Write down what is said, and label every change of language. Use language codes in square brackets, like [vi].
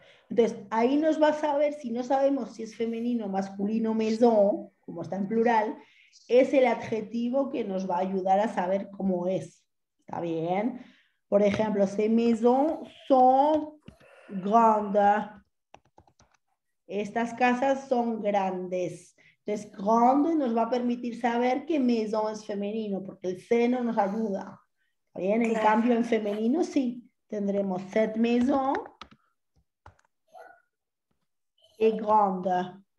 [es] Entonces, ahí nos va a saber, si no sabemos si es femenino, masculino, maison, como está en plural, es el adjetivo que nos va a ayudar a saber cómo es. ¿Está bien? Por ejemplo, [fr] ces maisons sont grandes. [es] Estas casas son grandes. Entonces, grande nos va a permitir saber que maison es femenino, porque el ce no nos ayuda. ¿Está bien? En cambio, en femenino, sí. Tendremos [fr] cette maison et grande.